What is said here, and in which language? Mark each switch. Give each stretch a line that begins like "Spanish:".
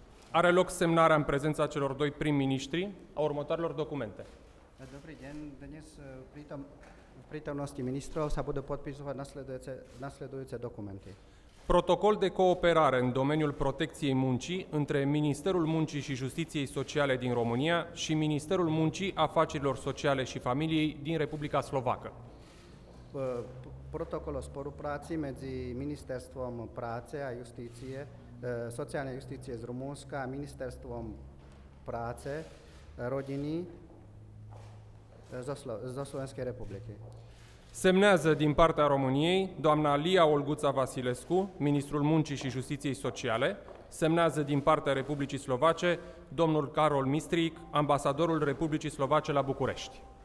Romanian: Are loc semnarea în prezența celor doi prim-ministri a următoarelor documente.
Slovak: Dobrý deň, dnes v prítomnosti ministrov sa budú podpisovať nasledujúce dokumenty.
Romanian: Protocol de cooperare în domeniul protecției muncii între Ministerul Muncii și Justiției Sociale din România și Ministerul Muncii, Afacerilor Sociale și Familiei din Republica Slovacă.
Slovak: Protocol o spolupráci medzi Ministerstvom práce a justície, sociálnej justície z Rumunska a Ministerstvom práce rodiny zo Slovenskej republiky.
Romanian: Semnează din partea României doamna Lia Olguța Vasilescu, ministrul Muncii și Justiției Sociale, semnează din partea Republicii Slovace domnul Carol Mistric, ambasadorul Republicii Slovace la București.